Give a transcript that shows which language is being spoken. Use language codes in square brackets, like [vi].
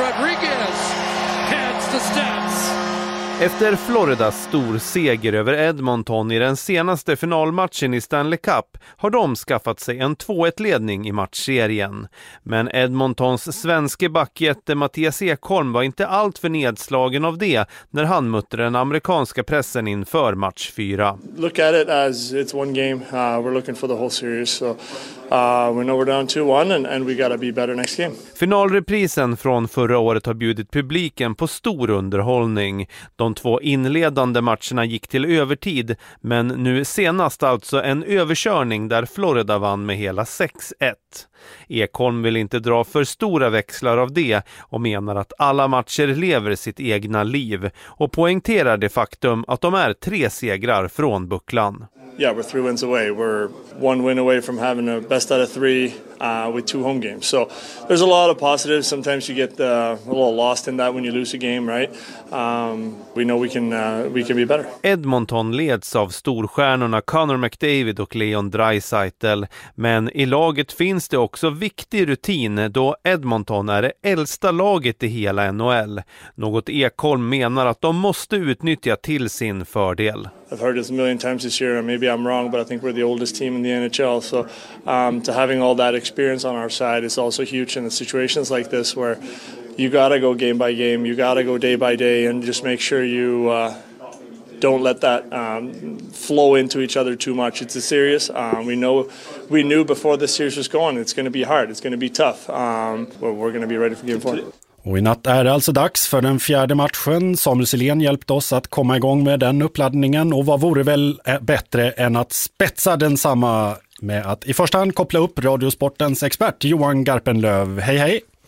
[sv] Rodriguez! Heads the stats! Efter Floridas stor seger över Edmonton i den senaste finalmatchen i Stanley Cup har de skaffat sig en 2-1-ledning i matchserien. Men Edmontons svenske backjätte Mattias Ekholm var inte allt för nedslagen av det när han mötte den amerikanska pressen inför match 4. [en] Look at it as it's one game. We're looking for the whole series, so we know we're down 2-1 and we gotta be better next game. [sv] Finalreprisen från förra året har bjudit publiken på stor underhållning. De två inledande matcherna gick till övertid, men nu senast alltså en överkörning där Florida vann med hela 6-1. Ekholm vill inte dra för stora växlar av det och menar att alla matcher lever sitt egna liv, och poängterar det faktum att de är tre segrar från bucklan. [en] Yeah, we're three wins away. We're one win away from having a best out of three with two home games. So there's a lot of positives. Sometimes you get a little lost in that when you lose a game, right? We know we can be better. [sv] Edmonton leds av storstjärnorna Connor McDavid och Leon Draisaitl, men i laget finns det också viktig rutin, då Edmonton är det äldsta laget i hela NHL. Något Ekholm menar att de måste utnyttja till sin fördel. [en] I've heard this a million times this year, and maybe I'm wrong, but I think we're the oldest team in the NHL. So to having all that experience on our side is also huge in situations like this, where you gotta go game by game, you gotta go day by day, and just make sure you don't let that flow into each other too much. It's a serious. We knew before the series was going, it's gonna be hard, it's gonna be tough. We're gonna be ready for game 4. [sv] Och i natt är det alltså dags för den fjärde matchen. Samuel Silén hjälpte oss att komma igång med den uppladdningen, och vad vore väl bättre än att spetsa densamma med att i första hand koppla upp Radiosportens expert Johan Garpenlöv. Hej hej!